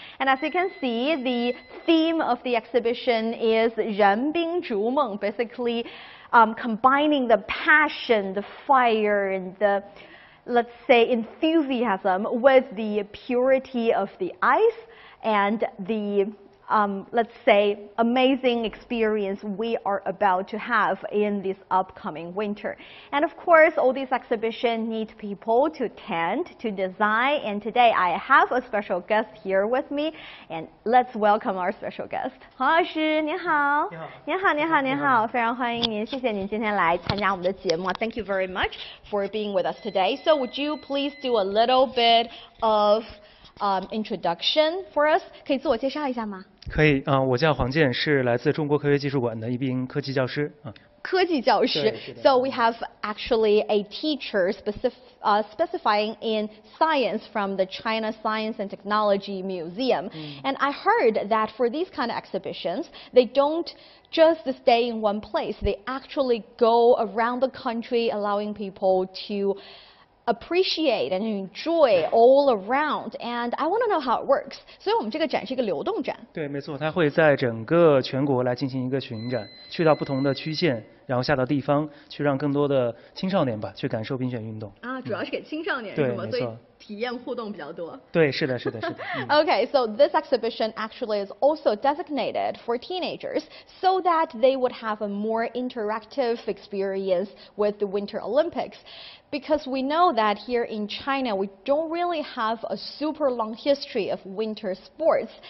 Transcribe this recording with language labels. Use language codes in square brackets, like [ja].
[en] And as you can see, the theme of the exhibition is [zh] 人兵逐梦, [en] basically combining the passion, the fire, and the, let's say, enthusiasm with the purity of the ice and the, let's say, amazing experience we are about to have in this upcoming winter. And of course, all these exhibitions need people to tend, to design, and today I have a special guest here with me, and let's welcome our special guest. [zh] 黄老师,你好,非常欢迎您,谢谢您今天来参加我们的节目, [en] thank you very much for being with us today. So would you please do a little bit of introduction for us. [zh] 可以自我介绍一下吗？可以啊，我叫黄健，是来自中国科学技术馆的一名科技教师啊。科技教师。 [en] So we have actually a teacher specifying in science from the China Science and Technology Museum. And I heard that for these kind of exhibitions, they don't just stay in one place. They actually go around the country, allowing people to appreciate and enjoy all around. And I want to know how it works. [zh] 所以我们这个展是一个流动展。对，没错，它会在整个全国来进行一个巡展，去到不同的区县。然后下到地方去，让更多的青少年吧去感受冰雪运动啊，主要是给青少年是吗？对，没错，体验互动比较多。对，是的，是的，是的。 [en] Okay, so this exhibition actually is also designated for teenagers so that they would have a more interactive experience with the Winter Olympics. Because we know that here in China, we don't really have a super long history of winter sports.